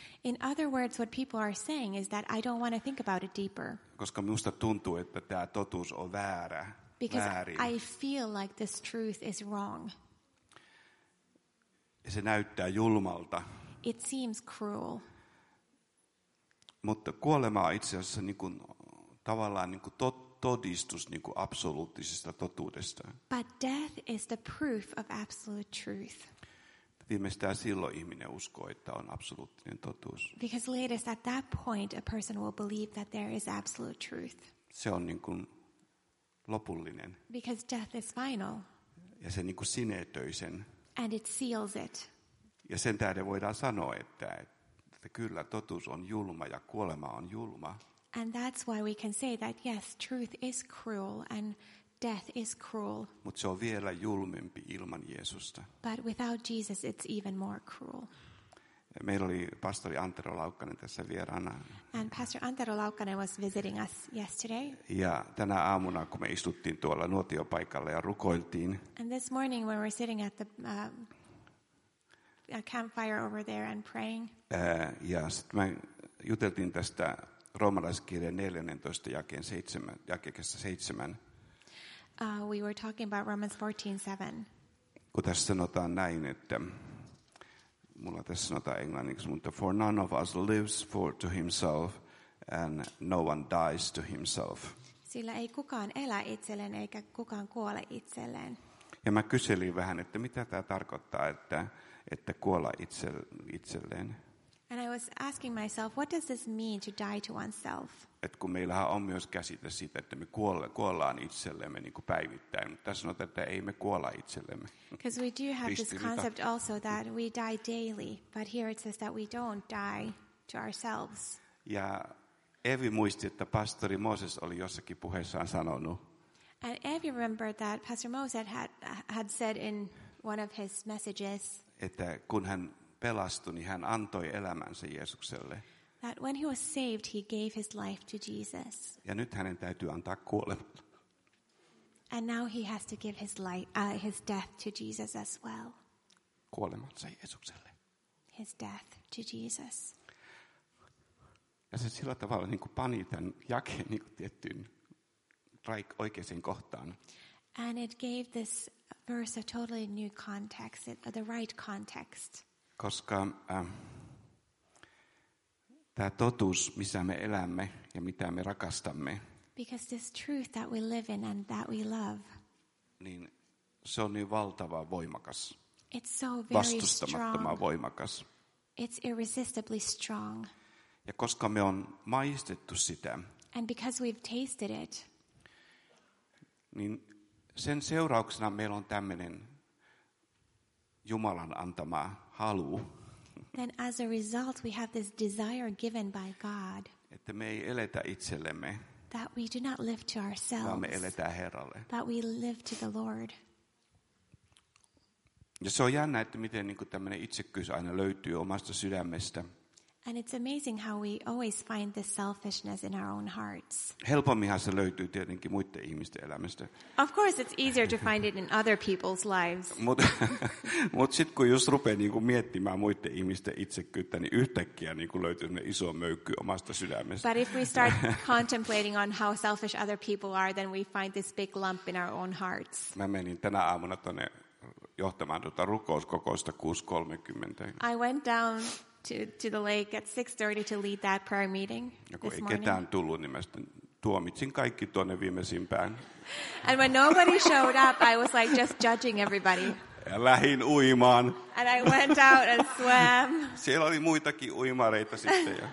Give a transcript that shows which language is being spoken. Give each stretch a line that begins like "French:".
English: In other words, what people are saying is that I don't want to think about it deeper.
Finnish: Koska minusta tuntuu, että tämä totuus on väärä.
English: Because I feel like this truth is wrong.
Finnish: Se näyttää julmalta.
English: It seems cruel.
Finnish: Mutta kuolema on itse asiassa niin kuin, tavallaan niin kuin todistus niin kuin absoluuttisesta totuudesta.
English: But death is the proof of absolute truth.
Finnish: Viimeistään silloin ihminen uskoo, että on absoluuttinen totuus.
English: Because latest at that point a person will believe that there is absolute truth.
Finnish: Se on niin kuin lopullinen.
English: Because death is final.
Finnish: Ja se niinku sinetöi sen.
English: And it seals it.
Finnish: Ja sen tähden voidaan sanoa, että kyllä totuus on julma ja kuolema on julma.
English: And that's why we can say that yes, truth is cruel and death is cruel.
Finnish: Mut se on vielä julmempi ilman Jeesusta.
English: But without Jesus it's even more cruel.
Finnish: Meillä oli pastori Antero Laukkanen tässä vieraana.
English: And Pastor Antero Laukkanen was visiting us yesterday.
Finnish: Ja tänä aamuna, kun me istuttiin tuolla nuotiopaikalla ja rukoiltiin.
English: And this morning when we're sitting at the campfire over there and praying.
Finnish: Ja sitten me juteltiin tästä roomalaiskirjeen 14. jakeessa 7.
English: We were talking about Romans 14:7.
Finnish: Kun tässä sanotaan näin, että mulla tässä sanotaan englanniksi, mutta
English: for none of us lives to himself
Finnish: and no one dies to himself. Sillä ei kukaan elä itselleen eikä kukaan kuole itselleen. Ja mä kyselin vähän, että mitä tämä tarkoittaa, että kuolla itselleen.
English: And I was asking myself, what does this mean to die to oneself?
Finnish: Et kun meillähän on myös käsite siitä, että me kuollaan itsellemme niin kuin päivittäin, mutta tässä sanotaan, että ei me kuolla itsellemme.
English: Because we do have this concept also that we die daily, but here it says that we don't die to ourselves.
Finnish: Ja Evi muisti, että pastori Moses oli jossakin puheessaan sanonut.
English: And Evi remembered that Pastor Moses had said in one of his messages,
Finnish: että kun hän pelastui, niin hän antoi elämänsä Jeesukselle.
English: That when he was saved, he gave his life to Jesus.
Finnish: Ja nyt hänen täytyy antaa kuolemalla.
English: And now he has to give his life, his death to Jesus as well.
Finnish: Kuolemansa Jeesukselle.
English: His death to Jesus.
Finnish: Ja se sillä tavalla niin kuin pani tämän jakeen niin kuin tiettyyn oikeaan kohtaan.
English: And it gave this verse a totally new context, the right context.
Finnish: Koska tämä totuus, missä me elämme ja mitä me rakastamme.
English: Because this truth that we live in and that we love.
Finnish: Niin se on niin valtava voimakas.
English: It's so very
Finnish: vastustamattoman voimakas.
English: It's irresistibly strong.
Finnish: Ja koska me on maistettu sitä.
English: And because we've tasted it.
Finnish: Niin sen seurauksena meillä on tämmöinen Jumalan antama halu.
English: Then as a result we have this desire given by God.
Finnish: Että me ei eletä itsellemme.
English: That we do not live to ourselves.
Finnish: Vaan me eletään Herralle.
English: That we live to the Lord.
Finnish: Ja se on jännä, että miten niinku tämmöinen itsekkyys aina löytyy omasta sydämestä.
English: And it's amazing how we always find this selfishness in our own hearts.
Finnish: Helpomminhan se löytyy tietenkin muiden ihmisten elämästä.
English: Of course it's easier to find it in other people's lives.
Finnish: Mut sit kun just rupeaa niinku miettimään muiden ihmisten itsekkyyttä, niin yhtäkkiä niinku löytyy semmoinen iso möykky omasta sydämestä.
English: But if we start contemplating on how selfish other people are, then we find this big lump in our own hearts.
Finnish: Mä menin tänä aamuna tonne johtamaan tuota rukouskokousta 6:30.
English: I went down to the lake at 6:30 to lead that prayer meeting this morning.
Finnish: Ketään tullut, niin mä sitten tuomitsin kaikki tuonne viimeisimpään.
English: And when nobody showed up, I was like just judging everybody.
Finnish: Ja lähdin uimaan.
English: And I went out and swam.
Finnish: Siellä oli muitakin uimareita sitten.